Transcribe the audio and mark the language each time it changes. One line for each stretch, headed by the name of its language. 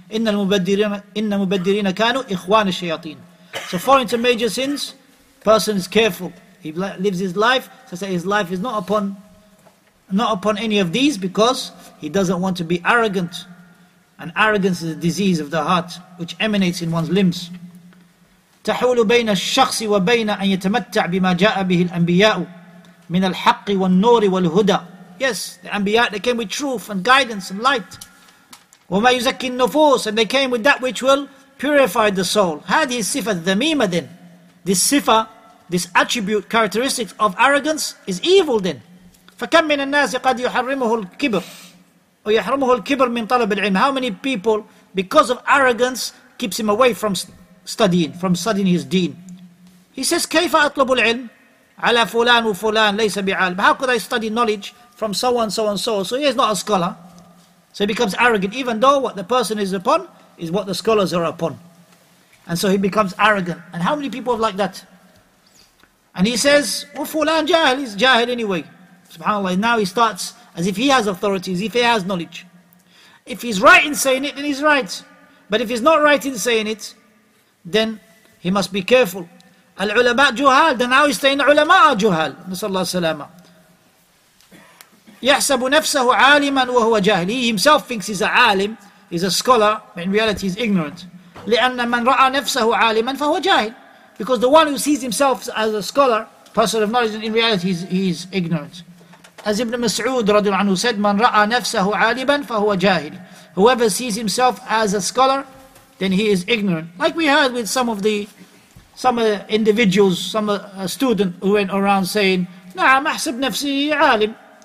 Arabic: Inna mubaddirina kanu ikhwana shayateen.
English: So falling to major sins, person is careful. He lives his life, so say his life is not upon any of these, because he doesn't want to be arrogant. And arrogance is a disease of the heart which emanates in one's limbs.
Arabic: تحول بين الشخص وبين أن يتمتع بما جاء به الأنبياء من الحق والنور والهدى.
English: Yes, the Anbiya, they came with truth and guidance and light.
Arabic: وَمَا يُزَكِّي النُّفُوسِ,
English: and they came with that which will purify the soul.
Arabic: هذه الصفة ذميمة
English: then. This صفة, this attribute, characteristics of arrogance is evil then.
Arabic: فَكَمْ مِنَ النَّاسِ قَدْ يُحَرِّمُهُ الْكِبْرُ وَيَحْرُمُهُ الْكِبْرُ مِنْ طَلَبِ الْعِلْمِ.
English: How many people, because of arrogance, keeps him away from studying, from studying his deen? He says,
Arabic: كَيْفَ أَطْلُبُ الْعِلْمِ عَلَى فُلَانُ وَفُلَانُ لَيْسَ بِعَالِمٍ.
English: How could I study knowledge from so-and-so-and-so? He is not a scholar. So he becomes arrogant, even though what the person is upon is what the scholars are upon. And so he becomes arrogant. And how many people are like that? And he says, well, fulan jahil, he's jahil anyway. SubhanAllah, now he starts as if he has authority, as if he has knowledge. If he's right in saying it, then he's right. But if he's not right in saying it, then he must be careful.
Arabic: Al-ulama juhal,
English: then now he's saying ulama juhal. Nasallahu alayhi wa sallam.
Arabic: يحسب نفسه عالما وهو جاهل.
English: He himself thinks he's a alim, he's a scholar, but in reality he's ignorant.
Arabic: لأن من رأى نفسه عالما فهو جاهل.
English: Because the one who sees himself as a scholar, person of knowledge, in reality he's ignorant. As Ibn Mas'ud رضي الله عنه said,
Arabic: من رأى نفسه عالما فهو جاهل.
English: Whoever sees himself as a scholar, then he is ignorant. Like we heard with some students who went around saying,
Arabic: نعم أحسب نفسي عالم.